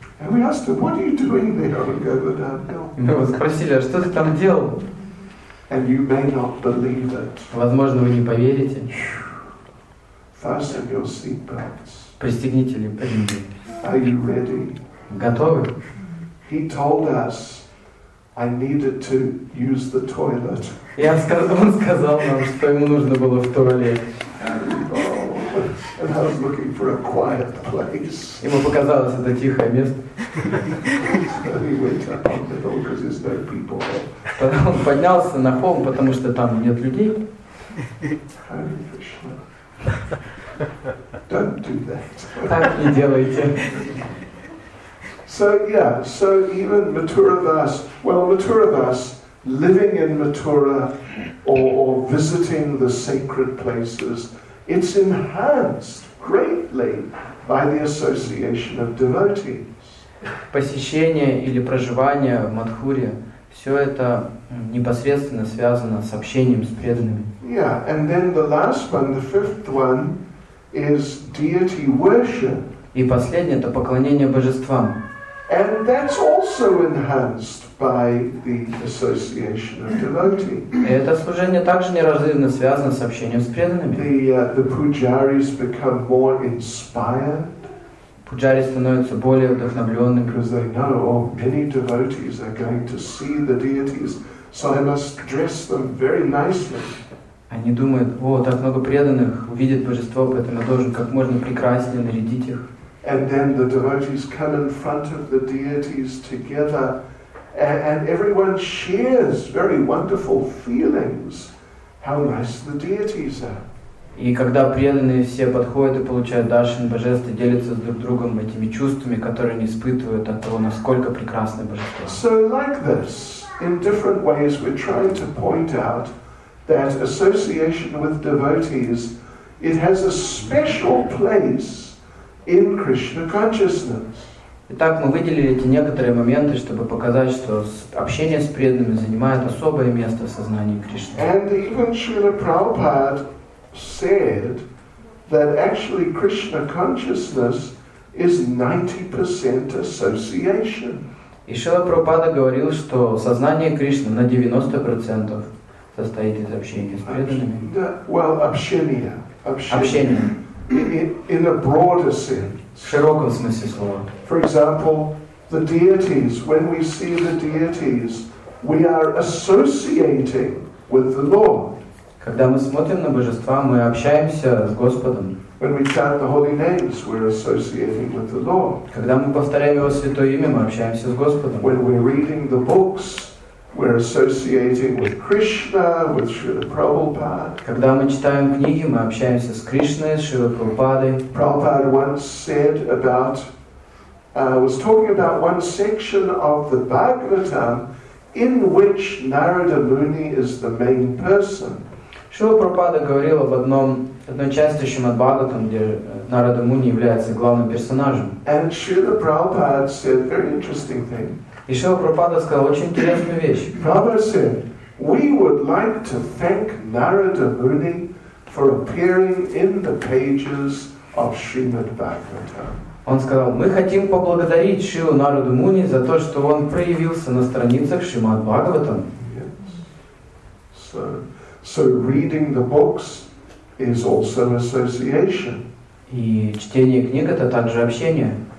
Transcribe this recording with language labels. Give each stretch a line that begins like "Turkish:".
English: And we asked him, what are you doing there on Govardhan Hill?
Russian: Мы его спросили, а что ты там делал?
English: And you may not believe it.
Russian: Возможно, вы не поверите.
English: Fasten your seatbelts.
Russian: Пристегните ремни.
English: Are you ready?
Russian: Готовы?
English: He told us. I needed to use the toilet.
Russian: Я сказал, он сказал нам, что ему нужно было в туалет.
English: And I was looking for a quiet place.
Russian: Ему показалось это тихое место.
English: So he went up on the hill because there's no people.
Russian: Потом он поднялся на холм, потому что там нет людей.
English: Hare Krishna. Don't do that.
Russian: Так не делайте.
English: So yeah, so even Mathuravas, well, Mathuravas, living in Mathura or visiting the sacred places, it's enhanced greatly by the association of devotees.
Russian: Посещение или проживание в Мадхуре, все это непосредственно связано с общением с преданными.
English: Yeah, and then the last one, the fifth one, is deity worship.
Russian: И последнее это поклонение божествам.
English: And that's also enhanced by the association of devotees.
Russian: Это служение также неразрывно связано с общением с преданными.
English: The pujaris become more inspired.
Russian: Пуджари становятся более вдохновленными.
English: Because they know, oh, many devotees are going to see the deities, so I must dress them very nicely.
Russian: Они думают, о, так много преданных увидит божество, поэтому я должен как можно прекраснее нарядить их.
English: And then the devotees come in front of the deities together, and everyone shares very wonderful feelings. How nice the deities are!
Russian: И когда преданные все подходят и получают даршан божества, делятся друг с другом этими чувствами, которые они испытывают от того, насколько прекрасны божества.
English: So like this, in different ways, we're trying to point out that association with devotees, it has a special place. In Krishna consciousness.
Russian: Итак, мы выделили эти некоторые моменты, чтобы показать, что общение с преданными занимает особое место в сознании Кришны.
English: And even Srila Prabhupada said that actually Krishna consciousness is 90% association.
Russian: И Шрила Прабхупада говорил, что сознание Кришны на 90% состоит из общения с преданными? Да, well, общение. Общение.
English: In a broader sense.
Russian: В широком смысле слова.
English: For example, the deities, when we see the deities, we are associating with the Lord.
Russian: Когда мы смотрим на божества, мы общаемся с Господом.
English: When we chant the holy names, we're associating with the Lord.
Russian: Когда мы повторяем Его святое имя, мы общаемся с Господом.
English: When we're reading the books, we're associating with Krishna, with Srila Prabhupada.
Russian: Когда мы читаем книги, мы общаемся с Кришной, с Шрилой Прабхупадой.
English: Prabhupada once said about, was talking about one section of the Bhagavatam in which Narada Muni is the main person.
Russian: Шрила Прабхупада говорила в одной части Шримад-Бхагаватам, где Нарада Муни является главным персонажем.
English: And Srila Prabhupada said a very interesting thing.
Russian: И Шрила Прабхупада сказал очень интересную вещь.
English: Prabhupada said, we would like to thank Narada Muni for appearing in the pages of Shrimad-Bhagavatam.
Russian: Он сказал, мы хотим поблагодарить Шрилу Нараду Муни за то, что он проявился на страницах Шримад-Бхагаватам.
English: Yes. So reading the books is also association.
Russian: И чтение книг это также общение.